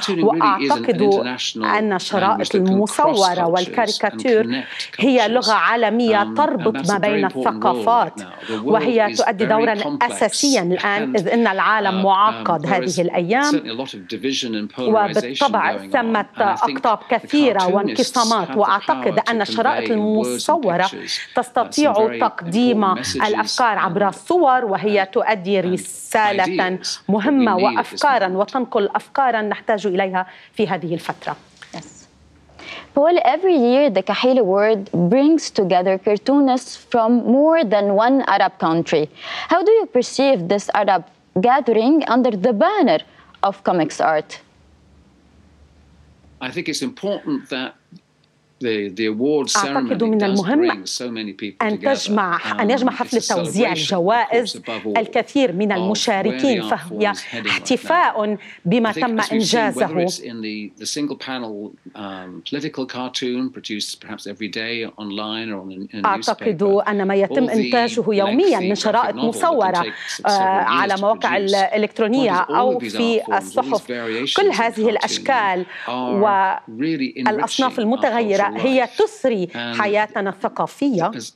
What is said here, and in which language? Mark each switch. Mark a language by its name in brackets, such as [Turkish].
[Arabic] وأعتقد أن شرائط المصورة والكاريكاتير هي لغة عالمية تربط ما بين الثقافات، وهي تؤدي دورا أساسيا الآن إذ إن العالم معقد هذه الأيام، وبالطبع ثمة أقطاب كثيرة وانقسامات. وأعتقد أن شرائط المصورة تستطيع تقديم الأفكار عبر الصور، وهي تؤدي رسالة مهمة وأفكارا وتنقل أفكارا نحتاج إليها في هذه الفترة. [English] Well, every year the Kahil Award brings together cartoonists from more than one Arab country. How do you perceive this Arab gathering under the banner of comics art? I think it's important that the award ceremony does bring so many people together, [Arabic] حفل توزيع الجوائز الكثير من المشاركين، فهي احتفاء بما تم إنجازه. [English] The single panel political cartoon produced perhaps every day online or in a newspaper. [Arabic] أعتقد أن ما يتم إنتاجه يوميا من شرائط مصورة على مواقع الإلكترونية أو في الصحف، كل هذه الأشكال والأصناف المتغيرة هي تثري حياتنا الثقافية.